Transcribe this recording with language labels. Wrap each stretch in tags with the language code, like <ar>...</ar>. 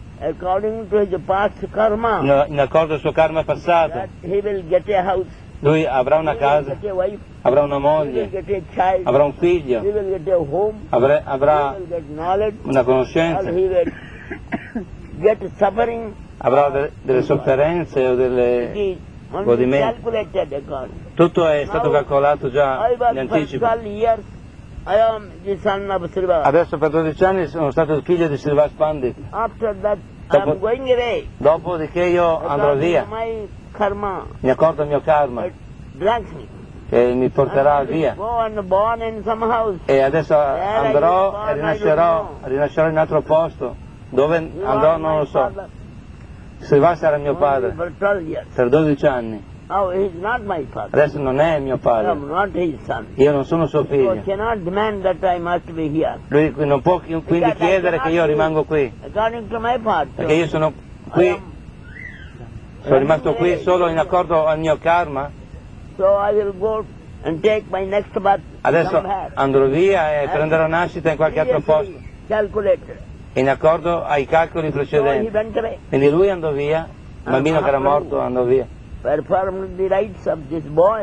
<en>according to his past karma,</en> <it>in accordo al suo karma passato,</it> <en>he will get a house.</en> <it>Lui avrà una casa, avrà una moglie,</it> <en>child,</en> <it>avrà un figlio,</it> <en>he will get a home,</en> <it>avrà una conoscenza.</it> <en>Get suffering.</en> <it>Avrà delle sofferenze o delle godimenti. Tutto è stato calcolato già in anticipo.</it> <en>I am the son of Sri Vas.</en> <it>Adesso per 12 anni sono stato il figlio di Sri Vas Pandit.</it> <en>After that, dopo, I'm going away.</en> <it>Dopodiché io andrò via.</it> <en>My karma.</en> <it>Mi accorto il mio karma.</it> <en>It drags me.</en> <it>Che mi porterà via.</it> <en>Born in some house.</en> <it>E adesso</it> <en>there</en> <it>andrò e rinascerò in un altro posto. Dove</it> <en>you</en> <it>andrò non lo so. Sri Vas era mio padre. Per 12 anni.</it> <en>Oh, he's not my father.</en> <it>Adesso non è mio padre.</it> <en>I'm not his son.</en> <it>Io non sono suo figlio.</it> <en>He cannot demand that I must be here.</en> <it>Lui non può quindi chiedere che io rimango qui.</it> <en>According to my part,</en> <it>perché io sono qui. Sono rimasto qui solo in accordo al mio karma.</it> <en>So I will go and take my next birth.</en> <it>Adesso andrò via e prenderò nascita in qualche altro posto.</it> <en>Calculator.</en> <it>In accordo ai calcoli precedenti. Quindi lui andò via, il bambino che era morto andò via.</it> <en>Performed the rites of this boy.</en>